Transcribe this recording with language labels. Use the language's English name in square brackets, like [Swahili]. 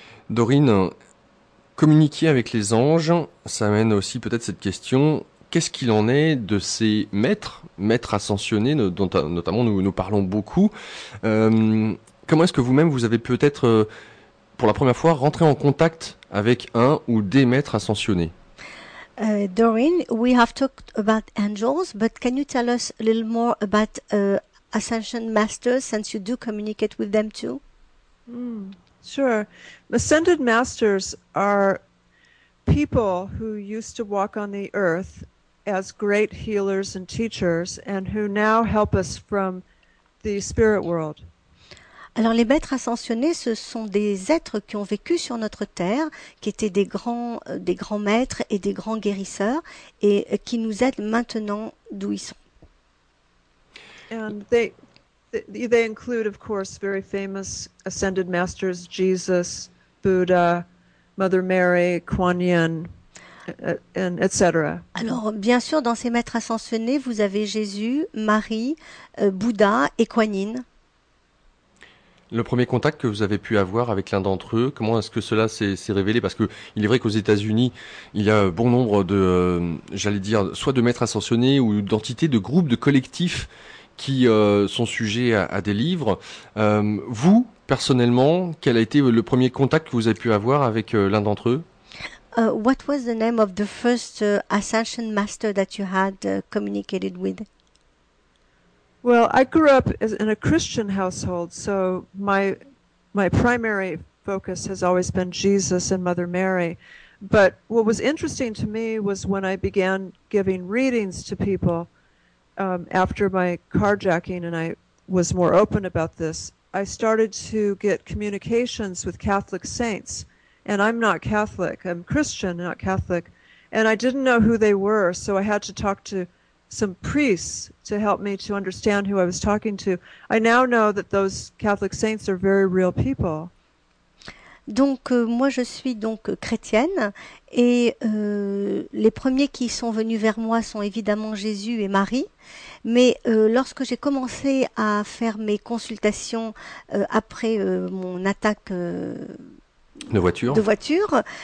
[French] Dorine, communiquer avec les anges, ça amène aussi peut-être cette question. Qu'est-ce qu'il en est de ces maîtres ascensionnés, dont notamment nous parlons beaucoup? Comment est-ce que vous-même, vous avez peut-être, pour la première fois, rentré en contact avec un ou des maîtres ascensionnés? [English] Dorine, we have talked about angels, but can you tell us a little more about ascension masters, since you do communicate with them too? Sure. Ascended masters are people who used to walk on the earth as great healers and teachers, and who now help us from the spirit world. [French] Alors les maîtres ascensionnés, ce sont des êtres qui ont vécu sur notre terre, qui étaient des grands maîtres et des grands guérisseurs, et qui nous aident maintenant d'où ils sont. [English] And they include of course very famous ascended masters, Jesus, Buddha, Mother Mary, Kuan Yin, and etc. [French] Alors bien sûr, dans ces maîtres ascensionnés, vous avez Jésus, Marie, Bouddha et Kuan Yin. Le premier contact que vous avez pu avoir avec l'un d'entre eux, comment est-ce que cela s'est révélé? Parce que il est vrai qu'aux États-Unis, il y a bon nombre de, j'allais dire, soit de maîtres ascensionnés ou d'entités, de groupes, de collectifs qui sont sujets à des livres. Vous, personnellement, quel a été le premier contact que vous avez pu avoir avec l'un d'entre eux? [English] What was the name of the first Ascension Master that you had communicated with? Well, I grew up in a Christian household, so my primary focus has always been Jesus and Mother Mary. But what was interesting to me was when I began giving readings to people after my carjacking and I was more open about this, I started to get communications with Catholic saints. And I'm not Catholic. I'm Christian, not Catholic. And I didn't know who they were, so I had to talk to some priests to help me to understand who I was talking to. I now know that those Catholic saints are very real people. [French] Donc, moi, je suis donc chrétienne et les premiers qui sont venus vers moi sont évidemment Jésus et Marie. Mais lorsque j'ai commencé à faire mes consultations après mon attaque de voiture,